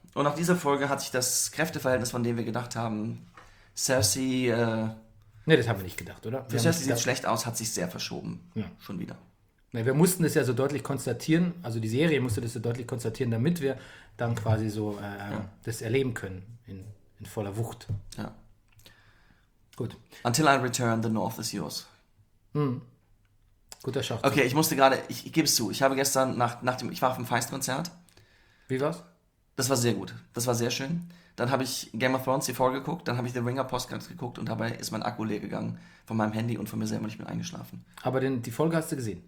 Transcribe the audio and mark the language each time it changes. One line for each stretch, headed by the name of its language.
German: Und nach dieser Folge hat sich das Kräfteverhältnis, von dem wir gedacht haben, Cersei... Nee, das haben wir nicht gedacht, oder? Für Cersei sieht es schlecht aus, hat sich sehr verschoben. Ja. Schon wieder. Nee, wir mussten das ja so deutlich konstatieren, also die Serie musste das so deutlich konstatieren, damit wir... dann quasi so das erleben können in voller Wucht. Ja. Gut.
English: Until I return, the North is yours.
German: Hm. Guter Schachzug. Okay, ich musste gerade, ich gebe es zu, ich habe gestern ich war auf dem Feistkonzert. Wie war's? Das war sehr gut, das war sehr schön. Dann habe ich Game of Thrones TV geguckt, dann habe ich The Ringer Podcast geguckt und dabei ist mein Akku leer gegangen von meinem Handy und von mir selber nicht mehr eingeschlafen. Aber die Folge hast du gesehen?